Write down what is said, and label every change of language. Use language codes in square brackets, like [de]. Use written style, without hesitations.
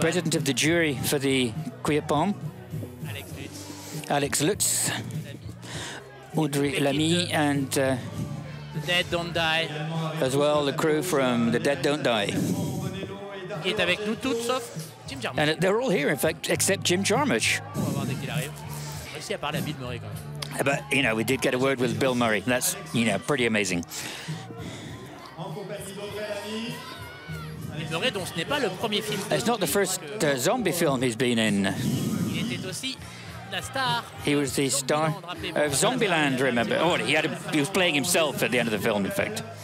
[en] President of the jury for the Queer Palm. Alex Lutz. Alex Lutz. Audrey Lamy and... Dead Don't Die. As well, the crew from The Dead Don't Die. [fr] Qui est avec nous toutes, sauf Jim Jarmusch. [en] And they're all here, in fact, except Jim Jarmusch. [fr] On va voir dès qu'il arrive. Réussi à parler à Bill Murray, quand même. [en] But, you know, we did get a word with Bill Murray. That's, you know, pretty amazing. [fr] Bill Murray, dont ce n'est pas le premier film. [en] It's not the first zombie film he's been in. [fr] Il était aussi... La star. [en] He was the star of Zombieland, remember? Oh, he was playing himself at the end of the film, in fact.